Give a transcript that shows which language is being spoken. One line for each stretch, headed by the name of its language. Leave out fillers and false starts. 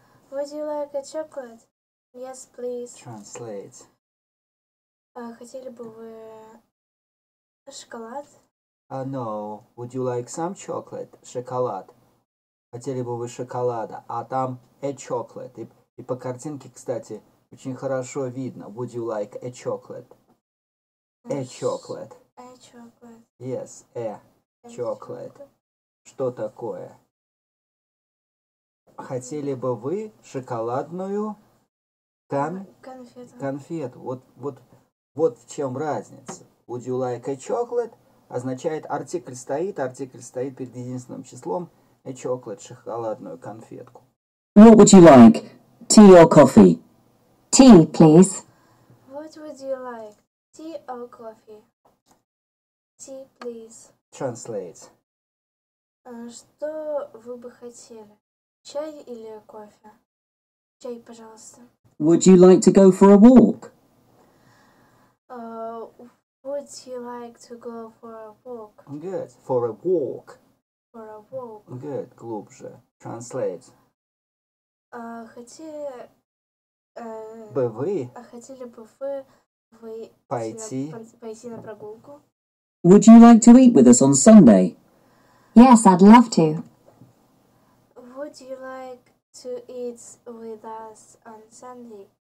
English: Would you like a chocolate? Yes, please. Translate.
Russian: Хотели бы вы шоколад?
English: No. Would you like some chocolate?
Russian: Шоколад. Хотели бы вы шоколада? А там
English: a chocolate.
Russian: И по картинке, кстати, очень хорошо видно.
English: Would you like a chocolate? A chocolate. A chocolate. Yes, a chocolate.
Russian: Что такое? Хотели бы вы шоколадную конфету? Конфету. Вот в чем разница.
English: Would you like a chocolate?
Russian: Означает, артикль стоит перед единственным числом.
English: A chocolate,
Russian: шоколадную конфетку.
English: What would you like? Tea or coffee? Tea, please. What would you like? Tea or coffee? Tea, please. Translate.
Russian: Что вы бы хотели? Чай или кофе? Чай, пожалуйста.
English: Would you like to go for a walk? Would you like to go for a walk? Good. For a walk. For a Good,
Russian: глубже.
English: Translate.
Russian: Хотели бы вы пойти на прогулку?
English: Would you like to eat with us on Sunday? Yes, I'd love to. Would you like to eat with us on Sunday?